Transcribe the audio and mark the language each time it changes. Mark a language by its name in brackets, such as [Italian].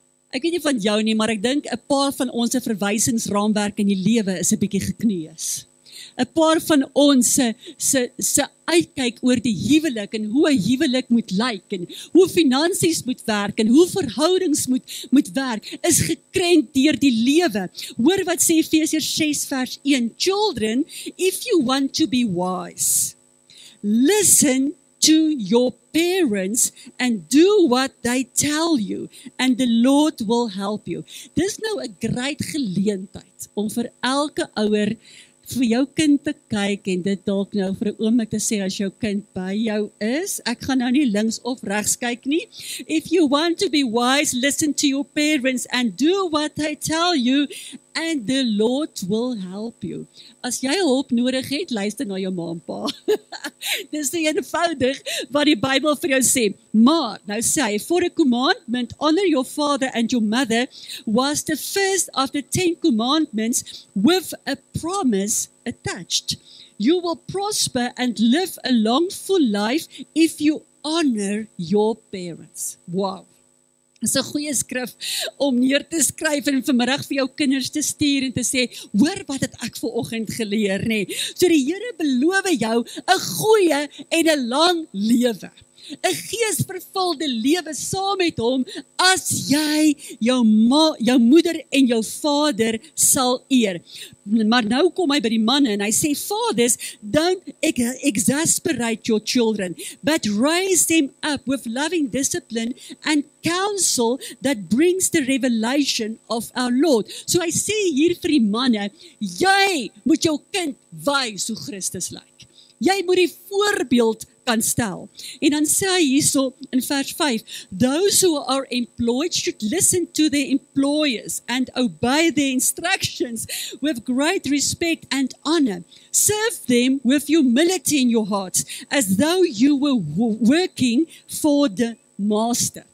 [Afrikaans] Ek weet nie van jou nie, maar ek dink 'n paar van ons verwysingsraamwerk in die lewe is 'n bietjie gekneus. 'N paar van ons se uitkyk oor die huwelik en hoe 'n huwelik moet lyk en hoe finansies moet werk en hoe verhoudings moet werk is gekrenk deur die lewe. Hoor wat sê Efesiërs 6 vers 1: [English] Children, if you want to be wise, listen to your parents and do what they tell you and the Lord will help you. [Afrikaans] Dis nou 'n groot geleentheid om vir elke ouer vir jou kind te kyk en dit dalk nou vir 'n oomblik te sê as jou kind by jou is, ek gaan nou nie links of regs kyk nie. [English] If you want to be wise, listen to your parents and do what they tell you and the Lord will help you. [Afrikaans] As jy hulp nodig het, luister na jou ma en pa. Dis eenvoudig wat die Bybel vir jou sê. Maar, nou sê hy, [English] for a commandment, honor your father and your mother, was the first of the 10 commandments with a promise attached. You will prosper and live a long, full life if you honor your parents. Wow. [Afrikaans] Dit is 'n goeie skrif om neer te skryf en vanmiddag vir jou kinders te stuur en te sê, hoor wat het ek vanoggend geleer nie. So die Here beloof jou 'n goeie en 'n lang lewe. 'N geesvervulde lewe saam met hom as jy jou moeder en jou vader sal eer. Maar nou kom hy by die manne en hy sê, [English] fathers, don't exasperate your children, but raise them up with loving discipline and counsel that brings the revelation of our Lord. [Afrikaans] So hy sê hier vir die manne, jy moet jou kind wys hoe Christus lyk. Jy moet die voorbeeld kan stel. En dan sê hy hierso in vers 5, [English] those who are employed should listen to their employers and obey their instructions with great respect and honor. Serve them with humility in your hearts as though you were working for the master.